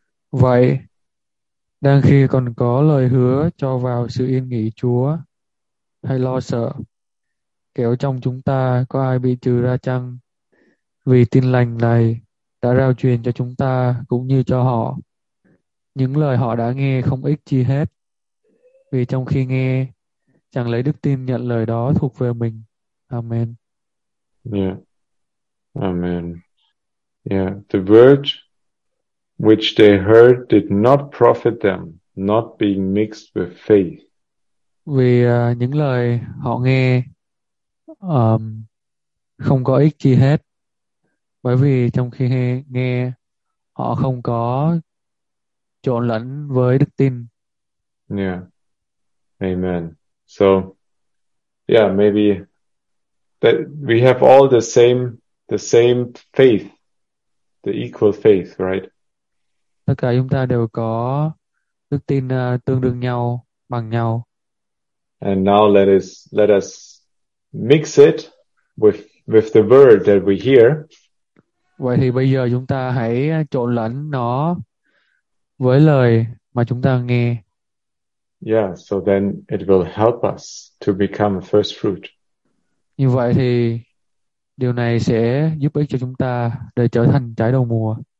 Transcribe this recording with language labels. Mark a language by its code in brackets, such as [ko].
[vi] Vậy đang khi còn có lời hứa cho vào sự yên nghỉ Chúa, hay lo sợ kẻo trong chúng ta có ai bị trừ ra chăng? Vì tin lành này đã rao truyền cho chúng ta cũng như cho họ. Những lời họ đã nghe không ích chi hết, vì trong khi nghe chẳng lấy đức tin nhận lời đó thuộc về mình. [en] Amen. Yeah. Amen. Yeah. The word which they heard did not profit them, not being mixed with faith. [vi] Vì những lời họ nghe không có ích chi hết, bởi vì trong khi nghe họ không có trộn lẫn với đức tin. [en] Yeah. Amen. So yeah, maybe that we have all the same faith, the equal faith, right? [vi] Tất cả chúng ta đều có đức tin tương đương nhau, bằng nhau. [en] And now let us mix it with the word that we hear. [vi] Vậy thì bây giờ chúng ta hãy trộn lẫn nó với lời mà chúng ta nghe. [en] Yeah, so then it will help us to become a first fruit. [vi] Như vậy thì điều này sẽ giúp ích cho chúng ta để trở thành trái đầu mùa.